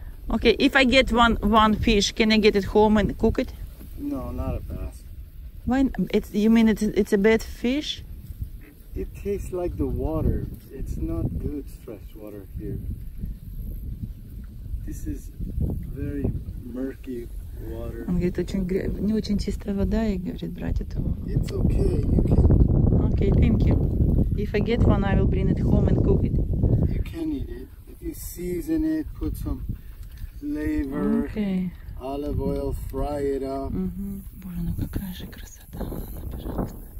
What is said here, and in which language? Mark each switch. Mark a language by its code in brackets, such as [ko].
[en] Okay, if I get one fish, can I get it home and cook it? No, not a bass. Why? It's a bad fish? It tastes like the water. It's not good fresh water here. This is very murky water. [ru] Он говорит, не очень чистая вода, и говорит, брать это. [en] It's okay, you can. Okay, thank you. If I get one, I will bring it home and cook it. You can eat it. If you season it, put some flavor, okay. olive oil, fry it up. Mm-hmm. [ru] Боже, ну какая же красота, ладно, пожалуйста.